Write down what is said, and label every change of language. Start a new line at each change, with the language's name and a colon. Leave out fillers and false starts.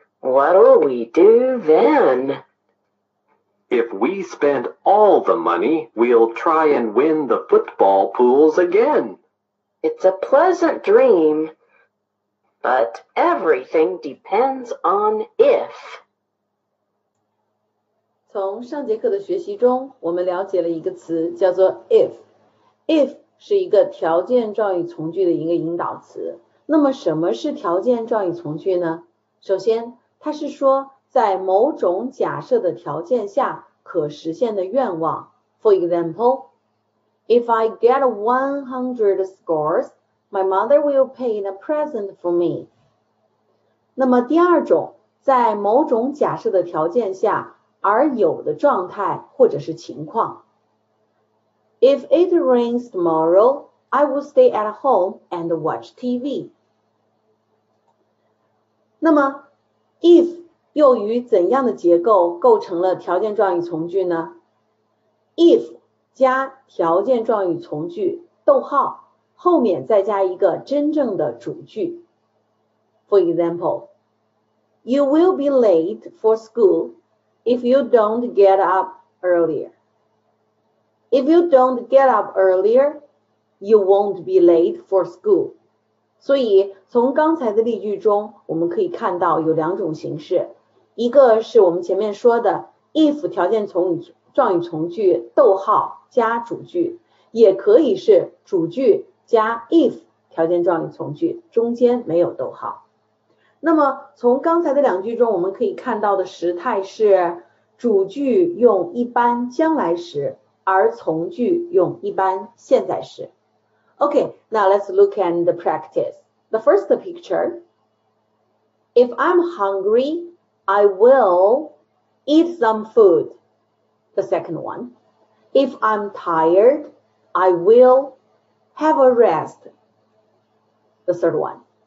English: What'll we do then? If we spend all the money, we'll try and win the football pools again. It's a pleasant dream, but everything depends on if.
Chinese: 从上节课的学习中，我们了解了一个词叫做 if。 if 是一个条件状语从句的一个引导词。那么什么是条件状语从句呢？首先，它是说在某种假设的条件下可实现的愿望。
English: For example, if I get 100 scores, my mother will pay a present for me.
Chinese: 那么第二种，在某种假设的条件下而有的状态或者是情况。
English: If it rains tomorrow, I will stay at home and watch TV.
Chinese: 那么 if又与怎样的结构构成了条件状语从句呢？ if 加条件状语从句，逗号，后面再加一个真正的主句。
English: For example, you will be late for school if you don't get up earlier. If you don't get up earlier, you won't be late for school.
Chinese: 所以从刚才的例句中，我们可以看到有两种形式。一个是我们前面说的 if 条件从语状语从句逗号加主句，也可以是主句加 if 条件状语从句，中间没有逗号。那么从刚才的两句中，我们可以看到的时态是主句用一般将来时，而从句用一般现在时。
English: OK, now let's look at the practice. The first picture, if I'm hungryI will eat some food. The second one. If I'm tired, I will have a rest. The third one.